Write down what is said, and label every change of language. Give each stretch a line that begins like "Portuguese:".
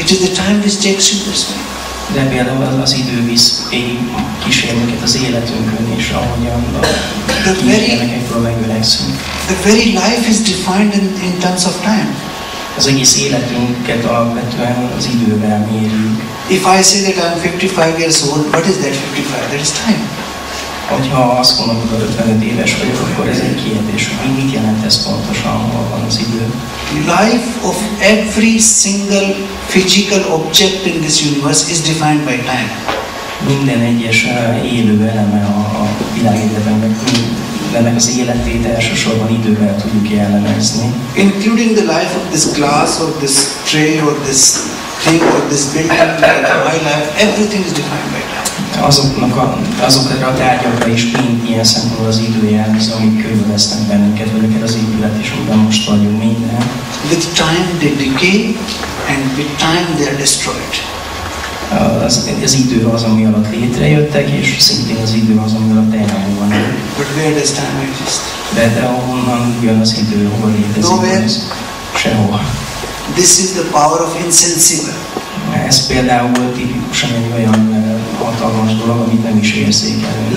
English: It is the time which takes you this way.
Hungarian: De például az idő visz egy kísérleteket az életünkön, és ahogyan a kísérlekekből megöregszünk.
English: The very life is defined in terms of time.
Hungarian: Az egész életünket alapvetően az idővel mérjük.
English: If I say that I'm 55 years old, what is that 55? That is time.
Hungarian: Hogyha azt mondom, hogy 55 éves vagyok, akkor ez egy kérdés, hogy mit jelent ez pontosan, hol van az idő?
English: Life of every single physical object in this universe is defined by time.
Hungarian: Minden egyes élő eleme a világéletben, ennek az életét elsősorban idővel tudjuk jellemezni.
English: Including the life of this glass, or this tray, or this thing, or this building, or my life, everything is defined by time.
Hungarian: Azokra a tárgyakra is mind ilyen szempontból az idő jelz, amik körülvesznek bennünket, vagy akár az épület is, amiben most vagyunk minden.
English: With time they decay, and with time they are destroyed.
Hungarian: Az idő az, ami alatt létrejöttek, és szintén az idő az, ami alatt elmúlnak.
English: But where does time exist?
Hungarian: De ahonnan jön az idő, hol létezik?
English: Nowhere.
Hungarian: Sehova.
English: This is the power of insensible.
Hungarian: Ez például tipikusan egy olyan hatalmas dolog, amit nem is érzékelünk.